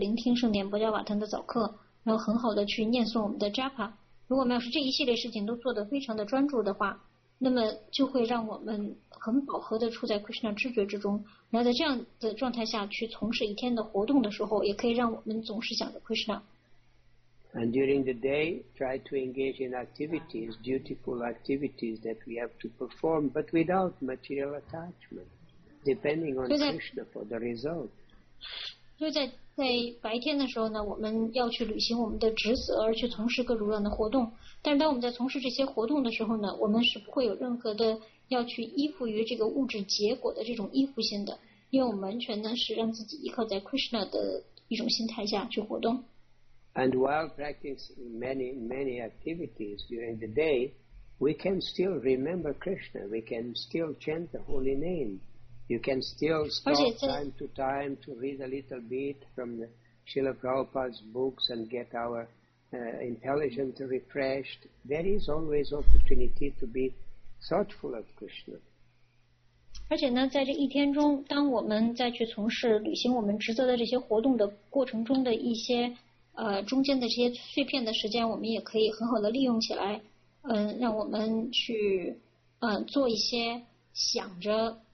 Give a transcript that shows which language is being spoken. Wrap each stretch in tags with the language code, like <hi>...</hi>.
<zh>如果我们要是清晨很好的利用了我们的早修的这个时间的话，就是我们一开始就献上祷文，然后呢顶拜我们的灵性导师，念诵托拉西的顶拜祷文，然后呢阅读或者聆听圣典波迦瓦坦的早课。然后很好的去念诵我们的 Japa， 如果我们要是这一系列事情都做得非常的专注的话，那么就会让我们很饱和的处在 Krishna 知觉之中。然后在这样的状态下去从事一天的活动的时候，也可以让我们总是想着 Krishna。</zh> <en>And during the day, try to engage in activities, dutiful activities that we have to perform, but without material attachment, depending on Krishna for the result.</en> <zh>在白天的时候呢，我们要去履行我们的职责，而去从事各种各样的活动。但是当我们在从事这些活动的时候呢，我们是不会有任何的要去依附于这个物质结果的这种依附性的，因为我们完全呢是让自己依靠在 Krishna 的一种心态下去活动。</zh> <en>And while practicing many many activities during the day, we can still remember Krishna. We can still chant the holy name. You can still stop time to time to read a little bit from the Srila Prabhupada's books and get our intelligence refreshed. There is always opportunity to be thoughtful of Krishna.</en> <zh>而且呢，在这一天中，当我们在去从事履行我们职责的这些活动的过程中的一些中间的这些碎片的时间，我们也可以很好的利用起来，让我们去做一些想着。</zh>